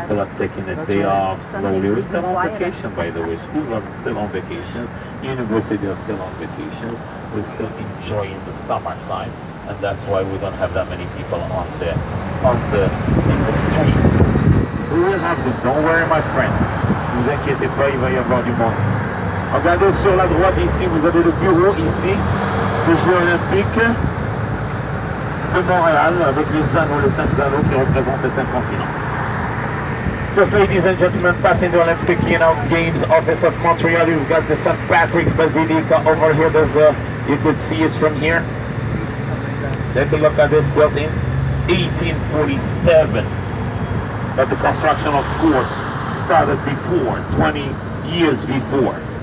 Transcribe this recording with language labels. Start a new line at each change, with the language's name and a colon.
English: People are taking the day off slowly. We're still on vacation, by the way. Schools are still on vacations. University are still on vacations. We're still enjoying the summertime. And that's why we don't have that many people in the streets. We will have this. Don't worry, my friend.
French: Ne vous inquiétez pas, il va y avoir du monde. Regardez sur la droite ici, vous avez le bureau ici. Les Jeux Olympiques de Montréal avec les anneaux, les 5 anneaux qui représentent les 5 continents.
English: Just ladies and gentlemen, passing the Olympic, you know, Games Office of Montreal, you've got the St. Patrick Basilica over here. There's you could see it from here. Take a look at this, built in 1847. But the construction, of course, started before, 20 years before.